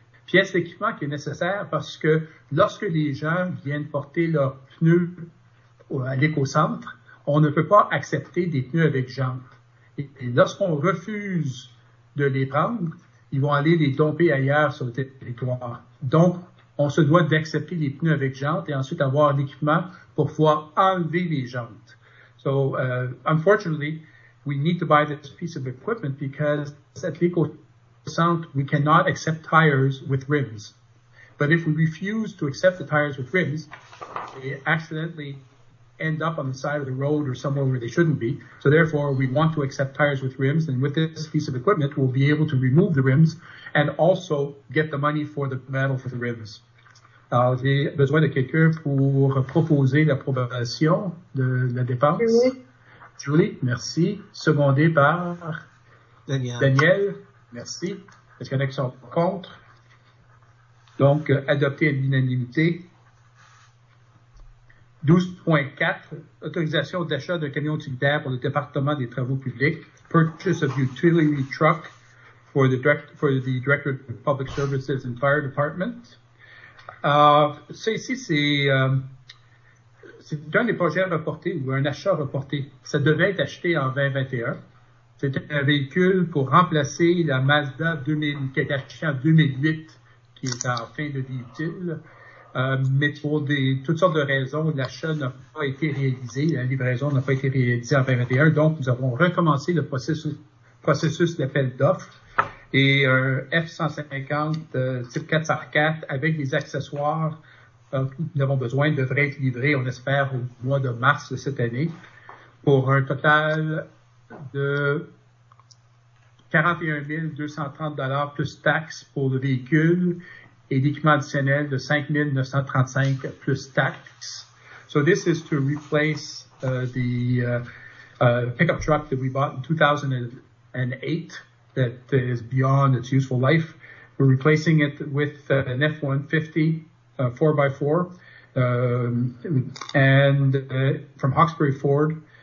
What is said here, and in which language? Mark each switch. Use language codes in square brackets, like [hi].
[fr] Pièce d'équipement qui est nécessaire parce que lorsque les gens viennent porter leurs pneus à l'éco-centre, on ne peut pas accepter des pneus avec jantes. Et lorsqu'on refuse de les prendre, ils vont aller les domper ailleurs sur le territoire. Donc, on se doit d'accepter les pneus avec jantes et ensuite avoir l'équipement pour pouvoir enlever les jantes. [en] So, unfortunately, we need to buy this piece of equipment because at l'éco-centre, we cannot accept tires with rims. But if we refuse to accept the tires with rims, they accidentally end up on the side of the road or somewhere where they shouldn't be. So therefore, we want to accept tires with rims, and with this piece of equipment, we'll be able to remove the rims and also get the money for the metal for the rims. [fr] Alors, j'ai besoin de quelqu'un pour proposer l'approbation de la dépense. Oui. Julie, merci. Secondé par Daniel. Merci. Est-ce qu'il y en a qui sont contre? Donc, adopté à l'unanimité. 12.4, autorisation d'achat d'un camion utilitaire pour le département des travaux publics. [en] Purchase of utility truck for the Director of Public Services and Fire Department. [fr] Ça ici, c'est un des projets reportés ou un achat reporté. Ça devait être acheté en 2021. C'était un véhicule pour remplacer la Mazda 2000 qui a été achetée en 2008, qui est en fin de vie utile. Mais pour des, toutes sortes de raisons, l'achat n'a pas été réalisé, la livraison n'a pas été réalisée en 2021. Donc, nous avons recommencé le processus d'appel d'offres. Et un F-150 type 4x4 avec des accessoires que nous avons besoin devrait être livré, on espère, au mois de mars de cette année pour un total de $41,230 plus taxes pour le véhicule et l'équipement additionnel de $5,935 plus taxes. [en] So this is to replace the pickup truck that we bought in 2008. That is beyond its useful life. We're replacing it with an F-150 4x4 and from Hawkesbury Ford.